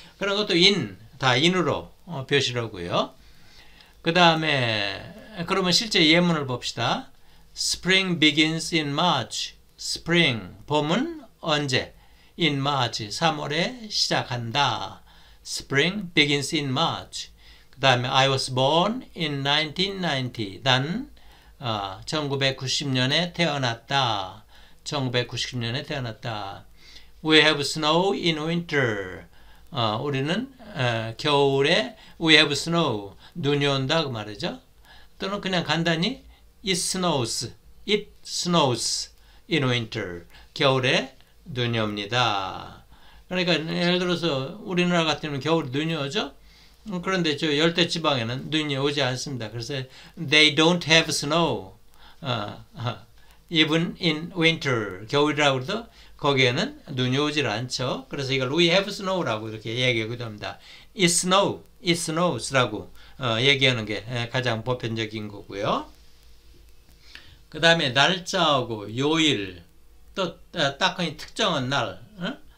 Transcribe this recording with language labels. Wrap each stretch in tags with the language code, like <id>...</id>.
<ko>그런 것도 다 인으로 표시를 하고요. 그 다음에, 그러면 실제 예문을 봅시다.</ko> <en>Spring begins in March. Spring,</en> <ko>봄은 언제?</ko> <en>In March,</en> <ko>3월에 시작한다.</ko> <en>Spring begins in March.</en> <ko>그 다음에,</ko> <en>I was born in 1990.</en> <ko>난 1990년에 태어났다. 1990년에 태어났다.</ko> <en>We have snow in winter.</en> <ko>우리는 겨울에</ko> <en>we have snow.</en> <ko>눈이 온다고 말이죠. 또는 그냥 간단히</ko> <en>it snows in winter.</en> <ko>겨울에 눈이 옵니다. 그러니까 예를 들어서 우리나라 같은 경우는 겨울에 눈이 오죠. 그런데 저 열대 지방에는 눈이 오지 않습니다. 그래서</ko> <en>they don't have snow. Even in winter.</en> <ko>겨울이라고 해도 거기에는 눈이 오질 않죠. 그래서 이걸</ko> <en>we have snow</en> <ko>라고 이렇게 얘기하기도 합니다.</ko> <en>It snows</en> <ko>라고 얘기하는 게 가장 보편적인 거고요. 그 다음에 날짜하고 요일, 또 딱히 특정한 날, 응?</ko>